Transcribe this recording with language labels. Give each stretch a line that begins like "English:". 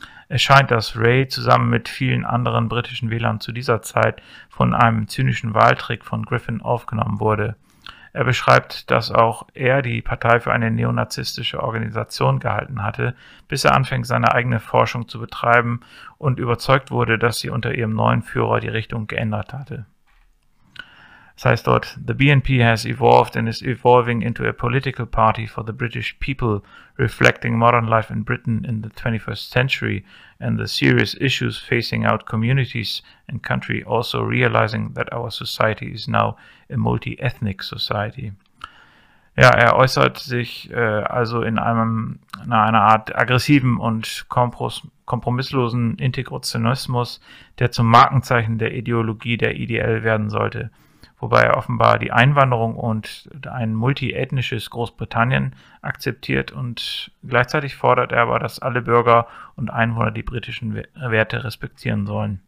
German: Es scheint, dass Ray zusammen mit vielen anderen britischen Wählern zu dieser Zeit von einem zynischen Wahltrick von Griffin aufgenommen wurde. Er beschreibt, dass auch er die Partei für eine neonazistische Organisation gehalten hatte, bis er anfing, seine eigene Forschung zu betreiben und überzeugt wurde, dass sie unter ihrem neuen Führer die Richtung geändert hatte. Das heißt dort,
English: the BNP has evolved and is evolving into a political party for the British people, reflecting modern life in Britain in the 21st century and the serious issues facing our communities and country, also realizing that our society is now a multi-ethnic society.
German: Ja, er äußert sich also in einer Art aggressiven und kompromisslosen Integrationismus, der zum Markenzeichen der Ideologie der EDL werden sollte. Wobei er offenbar die Einwanderung und ein multiethnisches Großbritannien akzeptiert und gleichzeitig fordert er aber, dass alle Bürger und Einwohner die britischen Werte respektieren sollen.